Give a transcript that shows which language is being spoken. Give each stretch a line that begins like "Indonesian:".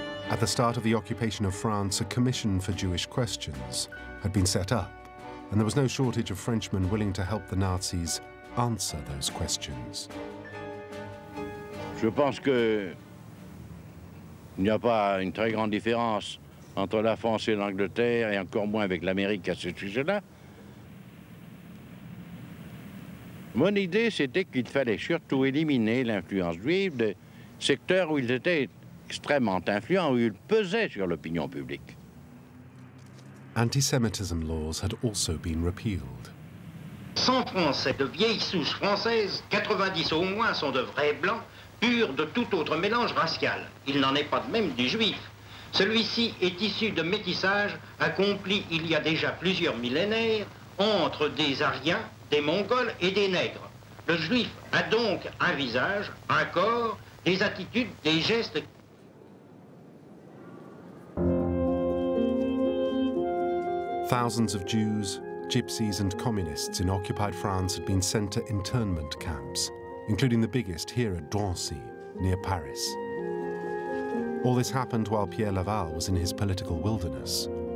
English: At the start of the occupation of France, a commission for Jewish questions had been set up, and there was no shortage of Frenchmen willing to help the Nazis answer those questions.
French: "Je pense que il n'y a pas une très grande différence entre la France et l'Angleterre, et encore moins avec l'Amérique à ce sujet-là. Mon idée, c'était qu'il fallait surtout éliminer l'influence juive des secteurs où ils étaient extrêmement influents, où ils pesaient sur l'opinion publique."
English: Anti-Semitism laws had also been repealed.
French: "100 Français de vieilles souches françaises, 90 au moins sont de vrais blancs, purs de tout autre mélange racial. Il n'en est pas de même du juif. Celui-ci est issu de métissage accompli il y a déjà plusieurs millénaires entre des Aryens, des Mongols et des Nègres. Le juif a donc un visage, un corps, des attitudes, des gestes.
English: Thousands of Jews, Gypsies and communists in occupied France had been sent to internment camps, including the biggest here at Drancy, near Paris. All this happened while Pierre Laval was in his political wilderness.